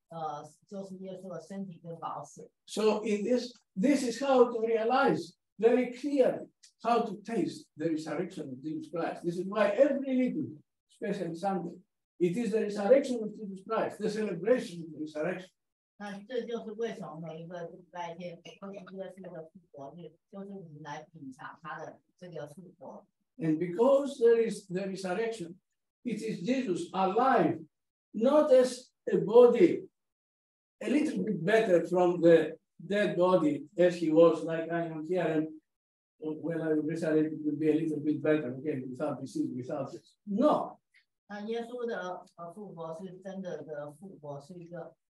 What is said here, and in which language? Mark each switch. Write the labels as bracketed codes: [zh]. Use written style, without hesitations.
[zh] 那我们知道，我们领受耶稣，并不是领受一些理论或是一些知识，而是我们领受耶稣他自己。那这个面包跟酒，就是耶稣的身体跟宝血。So [en] in this is how to realize very clearly how to taste the resurrection of Jesus Christ. This is why every liturgy, especially Sunday, it is the resurrection of Jesus Christ, the celebration of the resurrection. [zh] 那这就是为什么每一个礼拜天，或者一个是个复活日，就是我们来品尝他的这个复活。 [en] And because there is the resurrection, it is Jesus alive, not as a body, a little bit better from the dead body as he was, like I am here, and when I resurrected, it would be a little bit better, okay, without disease, without this. No. [zh] 那耶稣的复活是真的的复活，是一个。